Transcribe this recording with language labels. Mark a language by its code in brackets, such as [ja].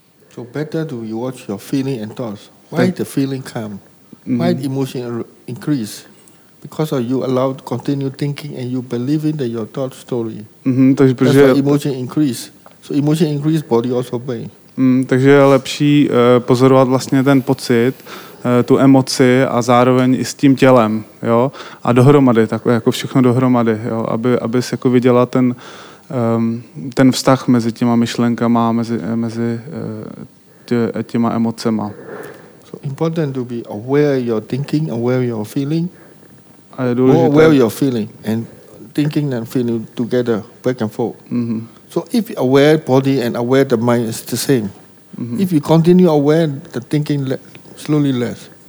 [en] So better to watch your feeling and thoughts. Why the feeling come? Why the emotion increase? Because of you allowed continue thinking and you believe in your thought story. [cs] Takže protože [en] emotion increase. So emotion increase, body also pain. [cs] Takže je lepší pozorovat vlastně ten pocit, tu emoci a zároveň i s tím tělem, jo, a dohromady, takhle jako všechno dohromady, jo, aby se jako viděla ten vztah mezi těma myšlenkama, mezi těma emocema. [en] So important to be aware your thinking, aware your feeling. [cs] A je důležité. [en] More aware your feeling and thinking and feeling together, back and forth. Mm-hmm. So if aware body and aware the mind is the same. Mm-hmm. If you continue aware the thinking slowly less.